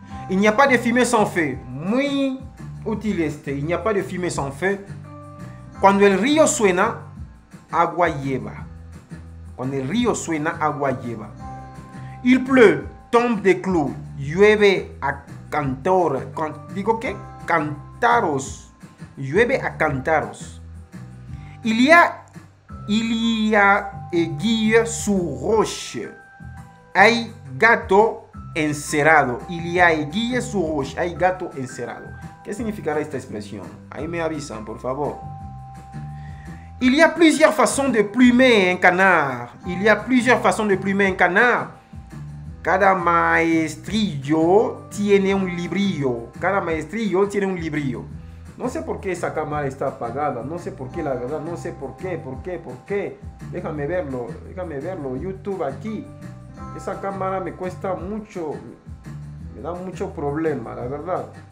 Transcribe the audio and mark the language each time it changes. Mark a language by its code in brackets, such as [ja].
[fr] Il n'y a pas de fumée sans feu. [es] Muy útil este. [fr] Il n'y a pas de fumée sans feu. [es] Cuando el río suena, agua lleva. Cuando el río suena, agua lleva. [fr] Il pleut, tombe de clous. [es] Llueve a cantor. ¿Digo qué? Cantaros. Llueve a cantaros. [fr] Il y a aiguille sous roche. [es] Hay gato encerrado. [fr] Il y a aiguille sous roche. [es] Hay gato encerrado. ¿Qué significará esta expresión? Ahí me avisan, por favor. [fr] Il y a plusieurs façons de plumer un canard. Il y a plusieurs façons de plumer un canard. [es] Cada maestrillo tiene un librillo. Cada maestrillo tiene un librillo. No sé por qué esa cámara está apagada. No sé por qué, la verdad. No sé por qué, por qué, por qué. Déjame verlo. YouTube aquí. Esa cámara me cuesta mucho. Me da mucho problema, la verdad.